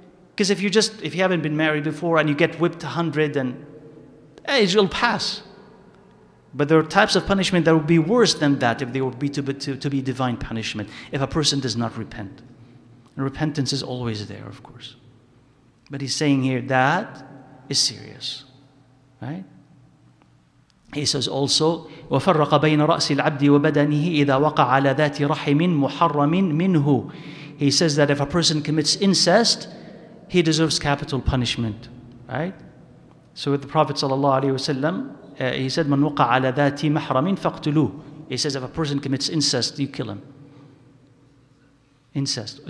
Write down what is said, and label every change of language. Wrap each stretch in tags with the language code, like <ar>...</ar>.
<en>Because if you haven't been married before and you get whipped 100, then it'll pass. But there are types of punishment that would be worse than that if they would be to be divine punishment, if a person does not repent. And repentance is always there, of course. But he's saying here, that is serious. Right? He says also,</en> <ar>وَفَرَّقَ بَيْنَ رَأْسِ الْعَبْدِ وَبَدَنِهِ إِذَا وَقَعَ عَلَى ذَاتِ رَحِمٍ مُحَرَّمٍ مِنْهُ.</ar> <en>He says that if a person commits incest, he deserves capital punishment. Right? So with the Prophet ﷺ, he said,</en> <ar>مَنْ وَقَعَ عَلَى ذَاتِ مَحْرَمٍ فَاقْتُلُوهُ.</ar> <en>He says, if a person commits incest, you kill him. Incest.</en>